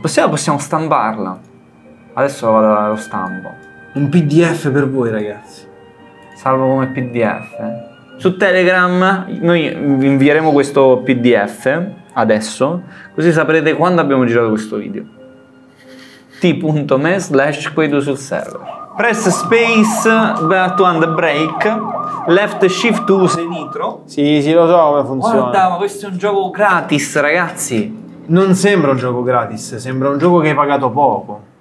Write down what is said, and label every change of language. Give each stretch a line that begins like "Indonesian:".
Italian: Possiamo stamparla. Adesso la vado, lo stampo. Un PDF per voi, ragazzi. Salvo come PDF. Su Telegram noi vi invieremo questo PDF adesso, così saprete quando abbiamo girato questo video. t.me/quedo sul server.
English: Press space to and break. Left shift to use nitro.
Italian: Sì, sì, lo so come funziona. Guarda, ma questo è un gioco gratis, ragazzi. Non sembra un gioco gratis, sembra un gioco che hai pagato poco.